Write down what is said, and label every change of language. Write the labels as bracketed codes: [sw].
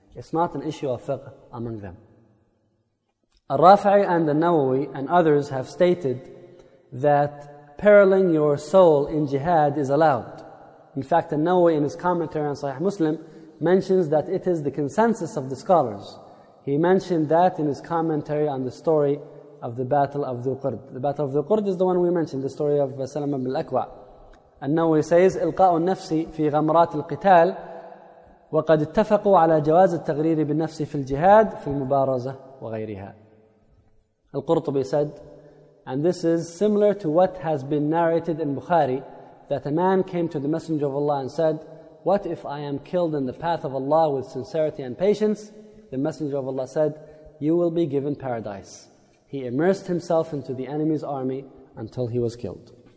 [en] It's not an issue of fiqh among them. Al-Rafi'i and al-Nawawi and others have stated that periling your soul in jihad is allowed. In fact, al-Nawawi in his commentary on Sahih Muslim mentions that it is the consensus of the scholars. He mentioned that in his commentary on the story of the Battle of Dhu-Qurd. The Battle of Dhu-Qurd is the one we mentioned, the story of Salama ibn al-Aqwa. An-Nawawi says, [ar] إِلْقَاءُ النَّفْسِ فِي غَمْرَاتِ الْقِتَالِ وَقَدْ اتَّفَقُوا عَلَى جَوَازِ التَّغْرِيرِ بِالنَّفْسِ فِي الْجِهَادِ فِي الْمُبَارَزَةِ وَغَيْرِهَا. [en] Al-Qurtubi said, and this is similar to what has been narrated in Bukhari, that a man came to the Messenger of Allah and said, what if I am killed in the path of Allah with sincerity and patience? The Messenger of Allah said, you will be given paradise. He immersed himself into the enemy's army until he was killed.